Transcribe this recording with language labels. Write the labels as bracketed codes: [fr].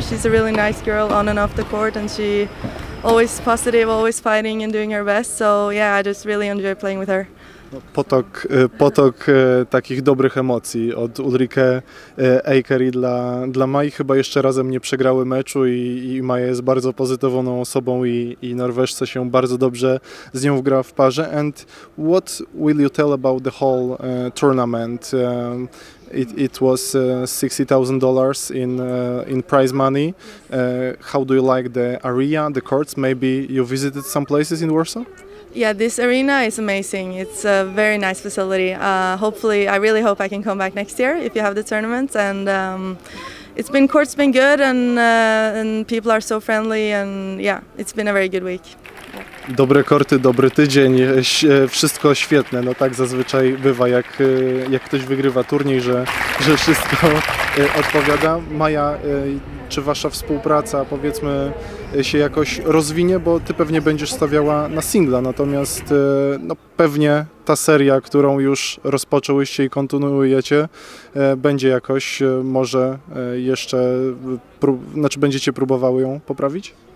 [en] She's a really nice girl on and off the court, and she always positive, always fighting and doing her best. So yeah, I just really enjoy playing with her. [pl] Potok takich dobrych emocji od Ulrike Eikery dla Maji. Chyba jeszcze razem nie przegrały meczu i Maja jest bardzo pozytywną osobą i Norweżce się bardzo dobrze z nią wgra w parze. [en] And what will you tell about the whole tournament? It was $60,000 in prize money. How do you like the area, the courts? Maybe you visited some places in Warsaw? Yeah, this arena is amazing. It's a very nice facility. Hopefully, I really hope I can come back next year if you have the tournament. And court's been good, and people are so friendly. And yeah, it's been a very good week. [pl] Dobre korty, dobry tydzień, wszystko świetne. No tak zazwyczaj bywa, jak ktoś wygrywa turniej, że wszystko odpowiada. Maja, czy wasza współpraca, powiedzmy, się jakoś rozwinie? Bo ty pewnie będziesz stawiała na singla, natomiast no, pewnie ta seria, którą już rozpoczęłyście i kontynuujecie, będzie jakoś może jeszcze, znaczy będziecie próbowały ją poprawić?